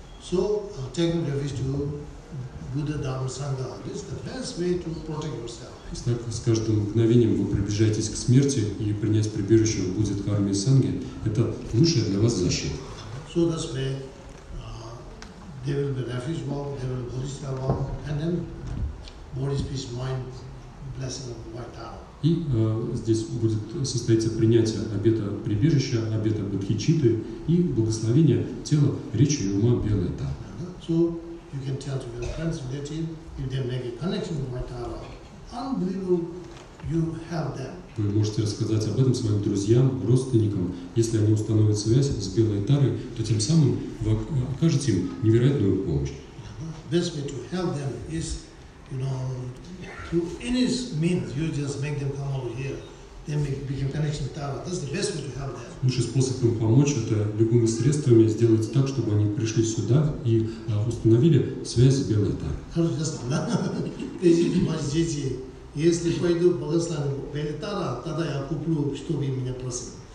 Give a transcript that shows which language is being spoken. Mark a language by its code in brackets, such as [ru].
[en] So taking refuge to Buddha, Dhamma, Sangha, this is the best way to protect yourself. [ru] Итак, с каждым мгновением вы приближаетесь к смерти и принять прибежище будет карми санги. Это лучшая для вас защита. [en] So that's why there will be refuge walk, there will be bodhisattva walk, and then bodhisattva's mind blessing of Vaitara. [ru] И здесь будет состояться принятие обета прибежища, обета бодхичитты и благословение тела, речи и ума Белой Тары. [en] So you can tell to your friends, relatives, if they make a connection with Vaitara, unbelievable, you help them. [ru] Вы можете рассказать об этом своим друзьям, родственникам. Если они установят связь с Белой Тарой, то тем самым вы окажете им невероятную помощь. [en] best way to help them is, you know, through any means, you just make them come over here. Then become connection with Tara. That's the best way to help them. [ru] Лучший способ им помочь – это любыми средствами сделать так, чтобы они пришли сюда и установили связь с Белой Тарой. Хорошо, да? Если ваши дети, если пойду благословить Белой Тары, тогда я куплю, что вы меня просили.